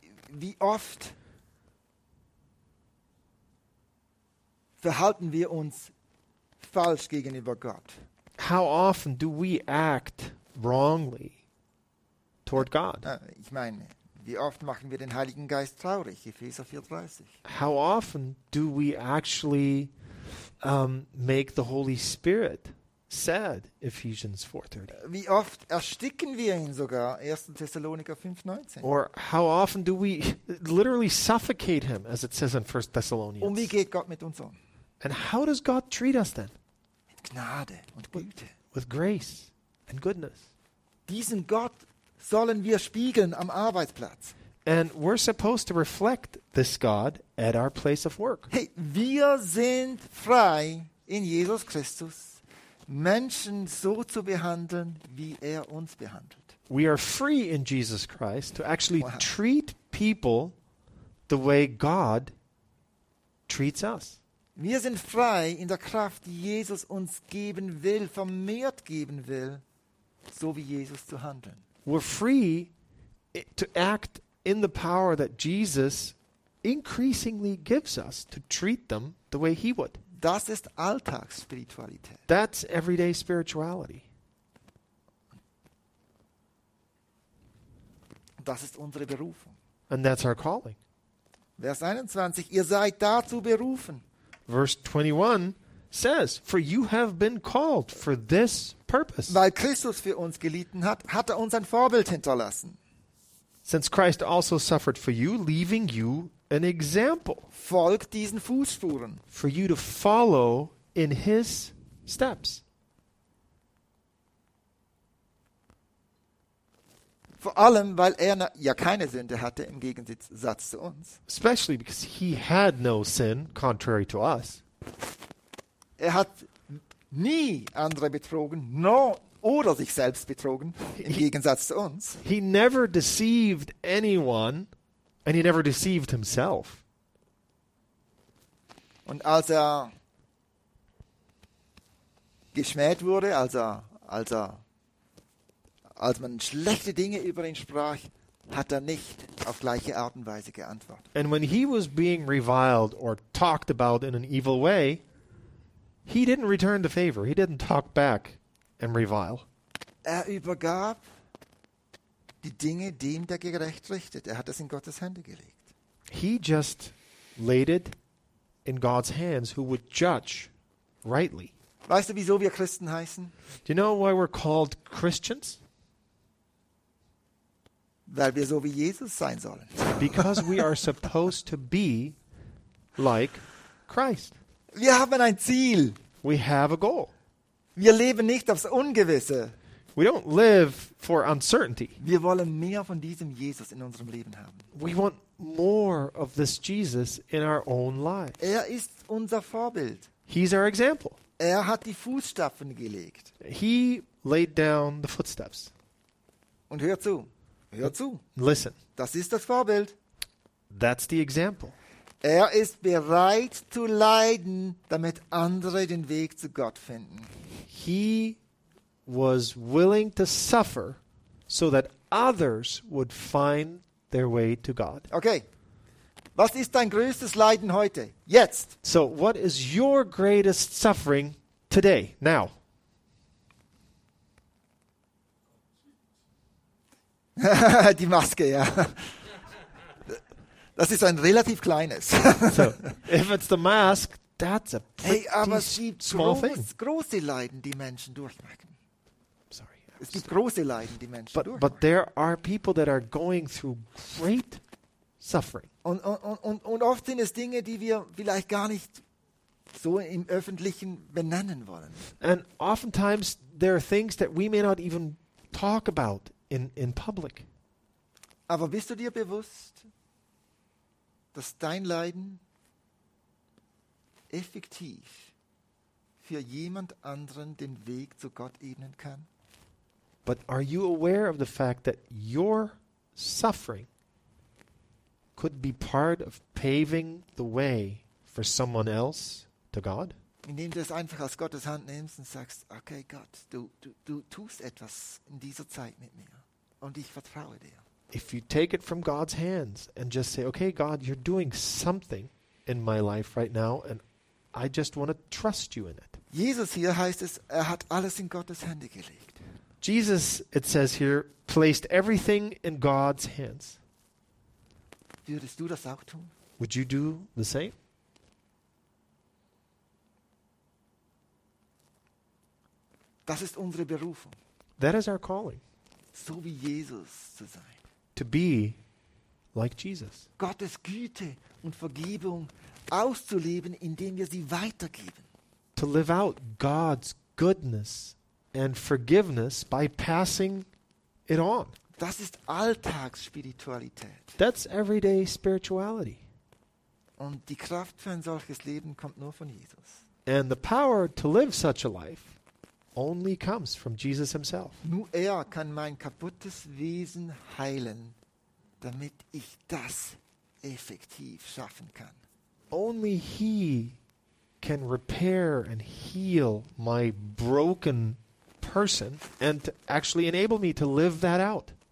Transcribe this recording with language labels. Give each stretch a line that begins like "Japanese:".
German: Wie oft verhalten wir uns falsch gegenüber Gott?
English: How often do we act wrongly toward God?
German: Ich meine, wie oft machen wir den Heiligen Geist traurig? Epheser 4:30.
English: How often do we actually make the Holy Spirit sad? Ephesians 4:30.
German: Wie oft ersticken wir ihn sogar? 1. Thessalonicher 5:19.
English: Or how often do we literally suffocate him, as it says in 1 Thessalonians?
German: Und wie geht Gott mit uns um?
English: And how does God treat us then?
German: Mit Gnade und Güte.
English: With grace and goodness.
German: Diesen Gott sollen wir spiegeln am Arbeitsplatz.
English: And we're supposed to reflect this God at our place of work.
German: Hey, wir sind frei in Jesus Christus, Menschen so zu behandeln, wie er uns behandelt.
English: We are free in Jesus Christ to actually treat people the way God treats us.
German: Wir sind frei in der Kraft, die Jesus uns geben will, vermehrt geben will, so wie Jesus zu handeln.
English: We're free to act in the power that Jesus increasingly gives us to treat them the way he would.
German: Das ist Alltagsspiritualität.
English: That's everyday spirituality.
German: Das ist unsere Berufung.
English: And that's our calling.
German: Vers 21, ihr seid dazu berufen.
English: Verse 21 says, for you have been called for this purpose.
German: Weil Christus für uns gelitten hat, hat er uns ein Vorbild hinterlassen.
English: Since Christ also suffered for you, leaving you an example.
German: Folgt diesen Fußspuren.
English: For you to follow in his steps.
German: Vor allem, weil er ja keine Sünde hatte, im Gegensatz zu uns.
English: Especially because he had no sin, contrary to us.
German: Er hat nie andere betrogen, nur oder sich selbst betrogen, im Gegensatz zu uns.
English: He never deceived anyone, and he never deceived himself.
German: Und als er geschmäht wurde, als man schlechte Dinge über ihn sprach, hat er nicht auf gleiche Art und Weise geantwortet.
English: And when he was being reviled or talked about in an evil way, he didn't return the favor. He didn't talk back and revile.
German: Er übergab die Dinge dem, der gerecht richtet. Er hat es in Gottes Hände gelegt.
English: He just laid it in God's hands, who would judge rightly.
German: Weißt du, wieso wir Christen heißen?
English: Do you know why we're called Christians?
German: Weil wir so wie Jesus sein sollen.
English: Because we are supposed to be like Christ.
German: Wir haben ein Ziel.
English: We have a goal.
German: Wir leben nicht aufs Ungewisse.
English: We don't live for uncertainty.
German: Wir wollen mehr von diesem Jesus in unserem Leben haben.
English: We want more of this Jesus in our own lives.
German: Er ist unser Vorbild.
English: He's our example.
German: Er hat die Fußstapfen gelegt.
English: He laid down the footsteps.
German: Und hör zu. Hör zu.
English: Listen.
German: Das ist das Vorbild.
English: That's the example.
German: Er ist bereit zu leiden, damit andere den Weg zu Gott finden.
English: He was willing to suffer so that others would find their way to God.
German: Okay. Was ist dein größtes Leiden heute? Jetzt.
English: So what is your greatest suffering today? Now.
German: Die Maske, ja. Das ist ein relativ kleines.
English: So, if it's the mask, that's a pretty small thing.
German: Große Leiden, die Menschen durchmachen.
English: Sorry,
German: Es gibt große Leiden, die Menschen durchmachen.
English: But there are people that are going through great suffering.
German: Und oft sind es Dinge, die wir vielleicht gar nicht so im Öffentlichen benennen wollen.
English: And oftentimes there are things that we may not even talk about in public.
German: Aber bist du dir bewusst, dass dein Leiden effektiv für jemand anderen den Weg zu Gott ebnen kann?
English: But are you aware of the fact that your suffering could be part of paving the way for someone else to God?
German: Indem du es einfach aus Gottes Hand nimmst und sagst, okay, Gott, du tust etwas in dieser Zeit mit mir und ich vertraue dir.
English: If you take it from God's hands and just say, okay, God, you're doing something in my life right now and I just want to trust you in it.
German: Jesus hier heißt es, er hat alles in Gottes Hände gelegt.
English: Jesus, it says here, placed everything in God's hands.
German: Würdest du das auch tun?
English: Would you do the same?
German: Das ist unsere Berufung.
English: That is our calling.
German: So wie Jesus zu sein.
English: To be like Jesus.
German: Gottes Güte und Vergebung auszuleben, indem wir sie weitergeben.
English: To live out God's goodness and forgiveness by passing it on.
German: Das ist Alltagsspiritualität.
English: That's everyday spirituality.
German: Und die Kraft für ein solches Leben kommt nur von Jesus.
English: And the power to live such a life only comes from Jesus himself.
German: Nur er kann mein kaputtes Wesen heilen, damit ich das effektiv schaffen kann.
English: Only he can repair and heal my broken person and actually enable me to live that out.